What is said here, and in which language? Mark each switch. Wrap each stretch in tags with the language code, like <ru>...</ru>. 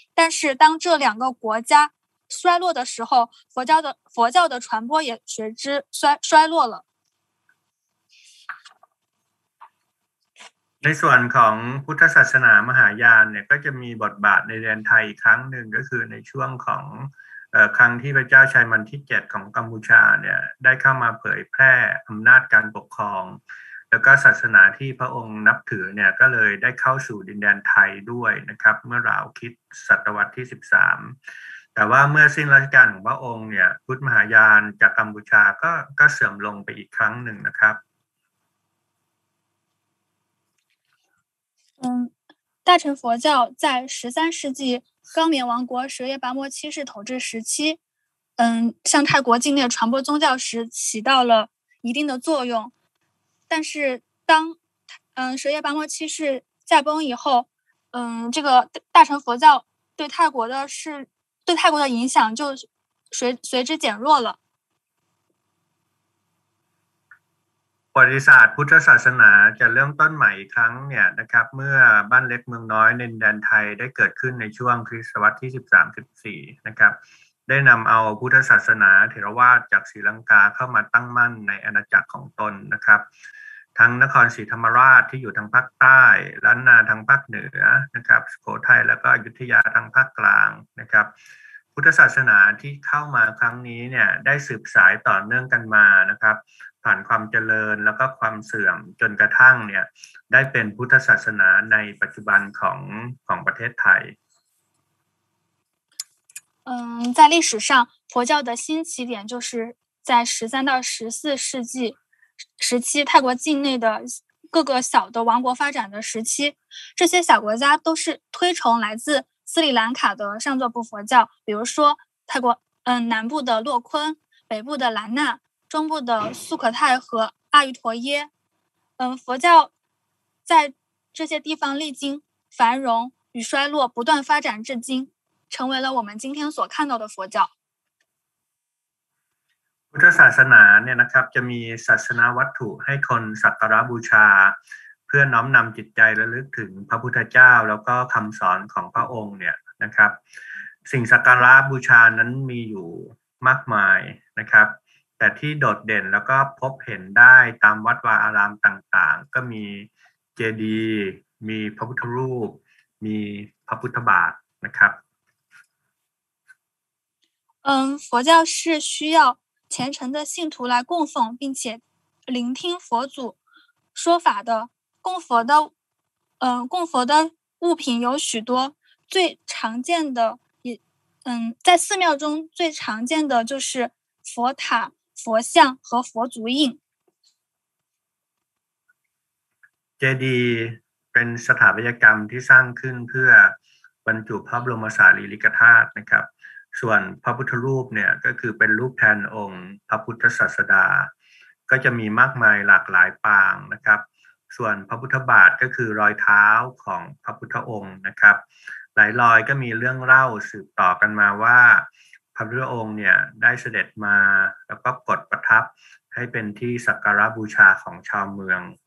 <zh>但是当这两个国家衰落的时候，佛教的传播也随之衰落了。</zh> <th>ในส่วนของพุทธศาสนามหายานเนี่ยก็จะมีบทบาทในแดนไทยอีกครั้งหนึ่งก็คือในช่วงของครั้งที่พระเจ้าชัยมันที่7ของกัมพูชาเนี่ยได้เข้ามาเผยแพร่อำนาจการปกครองแล้วก็ศาสนาที่พระองค์นับถือเนี่ยก็เลยได้เข้าสู่ดินแดนไทยด้วยนะครับเมื่อราวคริสต์ศตวรรษที่13แต่ว่าเมื่อสิ้นราชการของพระองค์เนี่ยพุทธมหายานจากกัมพูชาก็เสื่อมลงไปอีกครั้งหนึ่งนะครับ</th> <zh>大乘佛教在13世纪高棉王国舍叶跋摩七世统治时期向泰国境内传播宗教时起到了一定的作用。但是当舍叶跋摩七世驾崩以后，这个大乘佛教对泰国的影响就随之减弱了。</zh> <th>ประวัติศาสตร์พุทธศาสนาจะเริ่มต้นใหม่อีกครั้งเนี่ยนะครับเมื่อบ้านเล็กเมืองน้อยในแดนไทยได้เกิดขึ้นในช่วงคริสตศตวรรษที่13 14นะครับได้นำเอาพุทธศาสนาเถรวาทจากศรีลังกาเข้ามาตั้งมั่นในอาณาจักรของตนนะครับ ทั้งนครศรีธรรมราชที่อยู่ทางภาคใต้ล้านนาทางภาคเหนือนะครับสุโขทัยแล้วก็อยุธยาทางภาคกลางนะครับพุทธศาสนาที่เข้ามาครั้งนี้เนี่ยได้สืบสายต่อเนื่องกันมานะครับผ่านความเจริญแล้วก็ความเสื่อมจนกระทั่งเนี่ยได้เป็นพุทธศาสนาในปัจจุบันของประเทศไทย</th> <zh>在历史上佛教的新起点就是在13到14世纪时期泰国境内的各个小的王国发展的时期，这些小国家都是推崇来自斯里兰卡的上座部佛教，比如说泰国南部的洛坤，北部的兰纳，中部的素可泰和阿育陀耶。佛教在这些地方历经繁荣与衰落，不断发展至今，成为了我们今天所看到的佛教。</zh> <th>พุทธศาสนาเนี่ยนะครับจะมีศาสนาวัตถุให้คนสักการะบูชาเพื่อน้อมนำจิตใจระลึกถึงพระพุทธเจ้าแล้วก็คำสอนของพระองค์เนี่ยนะครับสิ่งสักการะบูชานั้นมีอยู่มากมายนะครับแต่ที่โดดเด่นแล้วก็พบเห็นได้ตามวัดวาอารามต่างๆก็มีเจดีย์มีพระพุทธรูปมีพระพุทธบาทนะครับ</th> <zh>佛教是需要虔诚的信徒来供奉并且聆听佛祖说法的，供佛的物品有许多，最常见的在寺庙中最常见的就是佛塔、佛像和佛足印。</zh> <th>เจดีย์เป็นสถาปัตยกรรมที่สร้างขึ้นเพื่อบรรจุพระบรมสารีริกธาตุนะครับส่วนพระพุทธรูปเนี่ยก็คือเป็นรูปแทนองค์พระพุทธศาสดาก็จะมีมากมายหลากหลายปางนะครับส่วนพระพุทธบาทก็คือรอยเท้าของพระพุทธองค์นะครับหลายรอยก็มีเรื่องเล่าสืบต่อกันมาว่าพระพุทธองค์เนี่ยได้เสด็จมาแล้วก็กดประทับให้เป็นที่สักการะบูชาของชาวเมือง</th>